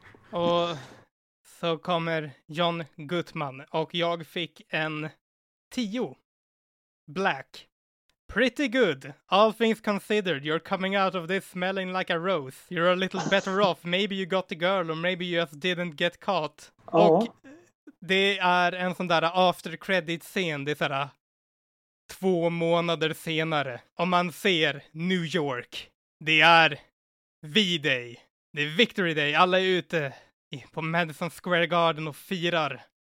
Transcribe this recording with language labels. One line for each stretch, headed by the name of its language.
Swedish: Och så kommer John Gutman och jag fick en 10.
English: Black. Pretty good. All things considered, you're coming out of this smelling like a rose. You're a little better off. Maybe you got the girl or maybe you just didn't get caught.
Swedish: Oh. Och det är en sån där after credit scen. Det är så där 2 månader senare. Och man ser New York. Det är V-Day. Det är Victory Day. Alla är ute på Madison Square Garden och firar.